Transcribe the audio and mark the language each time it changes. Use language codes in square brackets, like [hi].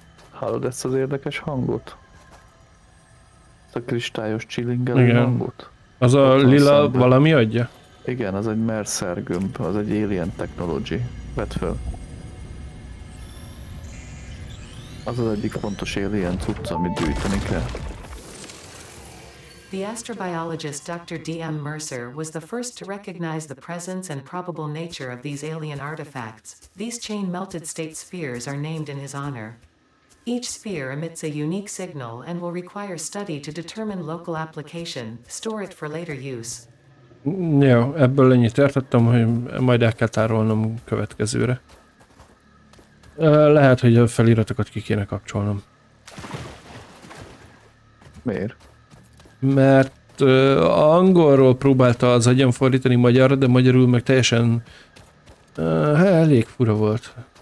[hu] Hallod ezt az érdekes hangot? Ezt a kristályos csillingelő hangot? Az a lila szemben. Valami adja? Igen, az egy Mercer gömb, az egy Alien Technology. Vedd föl. Az az egyik fontos Alien cucc, amit gyűjteni kell. [en] The astrobiologist Dr. D.M. Mercer was the first to recognize the presence and probable nature of these alien artifacts. These chain-melted state spheres are named in his honor. Each sphere emits a unique signal and will require study to determine local application, store it for later use. [hu] Jó, ebből ennyit értettem, hogy majd el kell tárolnom következőre. Lehet, hogy a feliratokat ki kéne kapcsolnom. Miért? Mert angolról próbálta az agyam fordítani magyarra, de magyarul meg teljesen elég fura volt.